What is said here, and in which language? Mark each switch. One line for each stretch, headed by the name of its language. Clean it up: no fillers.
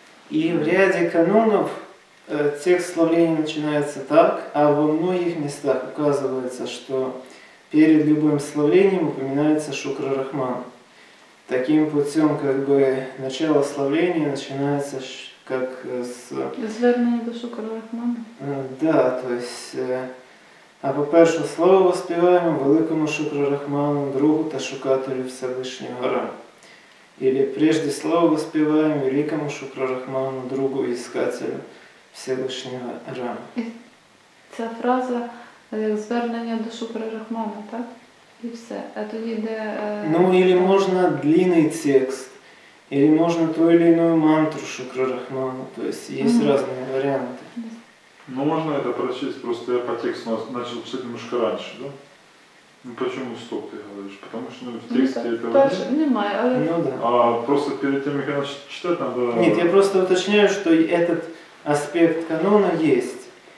Russian: И в ряде канонов текст славления начинается так, а во многих местах указывается, что перед любым славлением упоминается Шукра Рахман. Таким путем, как бы, начало славления начинается как с...
Ukrainian: Звернення до Шукра Рахмана.
Russian: Да, то есть...
Ukrainian: А по-перше, слово воспіваємо великому Шукра Рахману, другу та шукателю Всевышнього Ра.
Russian: Или прежде слово воспіваємо великому Шукра Рахману, другу искателю Всевышнього Ра.
Ukrainian: Ця фраза як звернення до Шукра Рахмана, так? І все. А тоді де... Ну, или можна длинний текст, или можна ту или иную мантру Шукра Рахману.
Russian: То есть,
Ukrainian: є різні варіанти.
Russian: Ну, можно это прочесть, просто я по тексту начал читать немножко раньше, да? Ну, почему стоп, ты говоришь? Потому что, ну, в тексте это этого нет.
Ukrainian: Немає, але...
Russian: Ну, да. А просто перед тем, как начать читать, надо... Нет, я просто уточняю, что этот аспект канона есть.